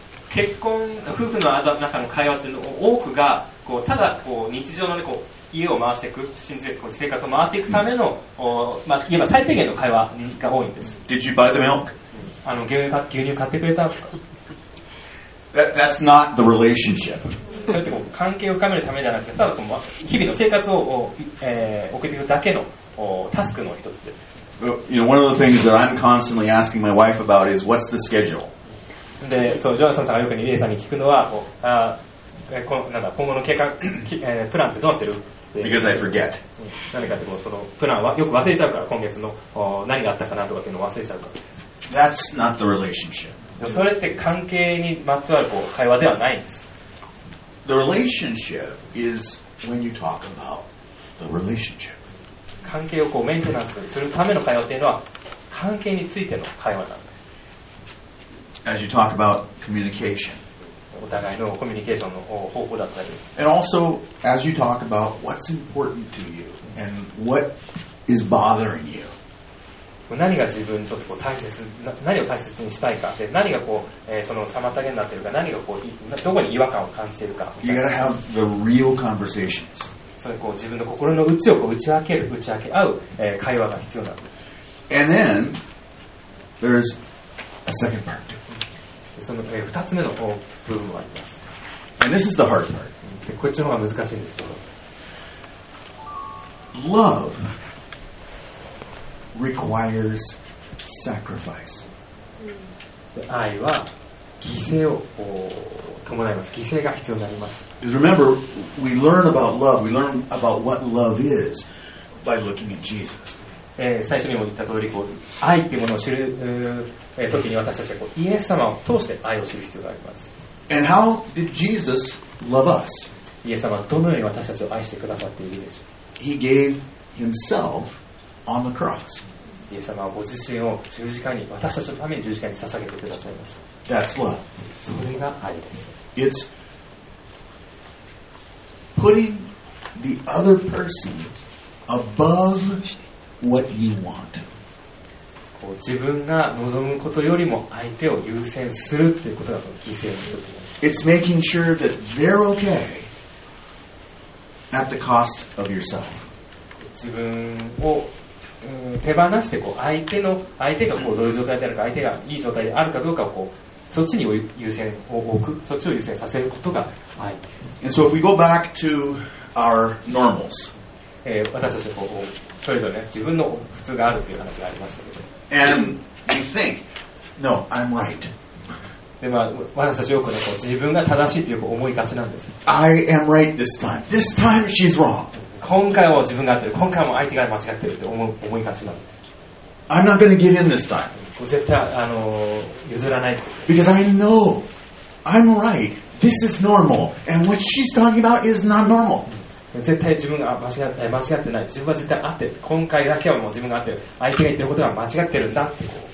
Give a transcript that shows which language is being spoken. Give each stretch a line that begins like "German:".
Japanese: 結婚夫婦の中の会話っていうのを多くがこうただこう日常のねこう家を回していく、生活を回していくための、まあ、言えば最低限の会話が多いんです。
English: Did you buy the milk?
Japanese: 牛乳買ってくれたとか。
English: That's not the relationship.
Japanese: そうやってこう関係を深めるためではなくて、ただその日々の生活を、送っていくだけのタスクの一つです。
English: You know, one of the things that I'm constantly asking my wife about is what's the schedule?
Japanese: で、そう、ジョナサンさんがよくリレーさんに聞くのは、こうあこのなんだ今後の計画、プランってどうなってる
English: Because I forget.
Japanese: 何かってこうそのプランはよく忘れちゃうから今月の何があったかなとかっていうのを忘れちゃうから
English: That's not the relationship.
Japanese: それって関係にまつわるこう会話ではないんです
English: The relationship is when you talk about the relationship.
Japanese: 関係をこうメンテナンスするための会話っていうのは関係についての会話なんです
English: As you talk about communication
Japanese: お互いのコミュニケーションの方法だったり
English: And also, as you talk about what's important to you and what is bothering you
Japanese: 何が自分にとってこう大切何を大切にしたいかで何がこう、その妨げになっているか何がこうどこに違和感を感じているか
English: You gotta have the real conversations
Japanese: それこう自分の心の内をこう打ち明け合う、会話が必要なんです
English: And then, there's a second part to
Japanese: その二つ目の部分もあります。
English: And this is the hard part.
Japanese: でこっちの方が難しいんですけど。
English: Love requires sacrifice.
Japanese: で愛は犠牲を伴います。犠牲が必要になります。
English: Because remember, we learn about love. We learn about what love is by looking at Jesus.
Japanese: 最初にも言った通りこう愛というものを知る、時に私たちはこうイエス様を通して愛を知る必要があります
English: And how did Jesus love us?
Japanese: イエス様はどのように私たちを愛してくださっているでしょう
English: He gave himself on the cross.
Japanese: イエス様はご自身を十字架に私たちのために十字架に捧げてくださいました
English: That's love.
Japanese: それが愛です
English: It's putting the other person aboveWhat you want.
Japanese: こう自分が望むことよりも相手を優先するっていうことがその犠牲の一つです。
English: It's making sure that they're okay at the cost of yourself.
Japanese: 自分を、手放してこう相手がこうどういう状態であるか、相手がいい状態であるかどうかをこうそっちに優先を置く、そっちを優先させることが愛。
English: And so if we go back to our normals.
Japanese: 私たちはこうそれぞれ、ね、自分の普通があるという話がありましたけど
English: And you think, no, I'm right.
Japanese: で、まあ、私たちよく、ね、こう自分が正しいという思いがちなんです
English: I am right this time. This time she's wrong. 今回も自分が合ってる今回も相手が間違ってるって思いがちなんです I'm not going to give in this time.
Japanese: 絶対あの譲らない。
English: Because I know I'm right. This is normal. And what she's talking about is not normal.
Japanese: 絶対自分が間違ってない。自分は絶対合ってる。今回だけはもう自分が合ってる。相手が言ってることは間違ってるんだって。